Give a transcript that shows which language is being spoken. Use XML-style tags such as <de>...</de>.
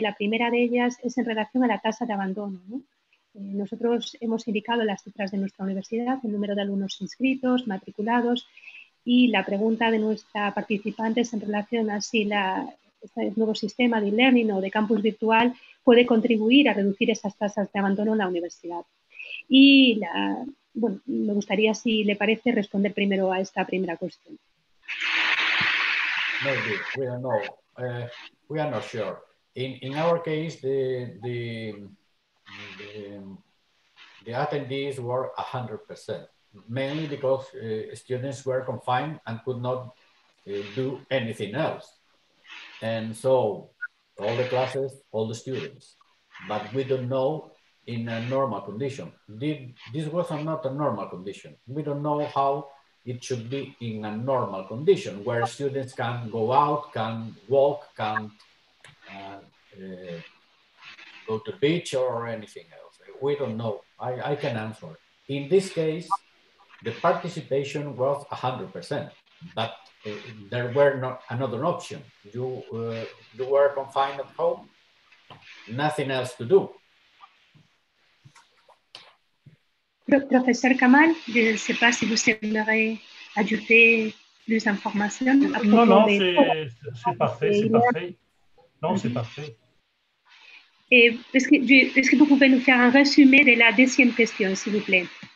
<es>La primera de ellas es en relación a la tasa de abandono, ¿no? Nosotros hemos indicado las cifras de nuestra universidad, el número de alumnos inscritos, matriculados, y la pregunta de nuestra participante es en relación a si este nuevo sistema de e-learning o de campus virtual puede contribuir a reducir esas tasas de abandono en la universidad. Y bueno, me gustaría, si le parece, responder primero a esta primera cuestión.</es> <en>Maybe we don't know. We are not sure. In our case, the attendees were 100%, mainly because students were confined and could not do anything else. And so all the classes, all the students, but we don't know in a normal condition. This was not a normal condition. We don't know how it should be in a normal condition where students can go out, can walk, can go to the beach or anything else. We don't know. I can answer. In this case, the participation was 100%, but there were not another option. You were confined at home, nothing else to do.</en> <fr>Professeur Kamal, je ne sais pas si vous aimeriez ajouter plus d'informations. Non, c'est parfait. Est-ce que vous pouvez nous faire un résumé de la deuxième question, s'il vous plaît?</fr>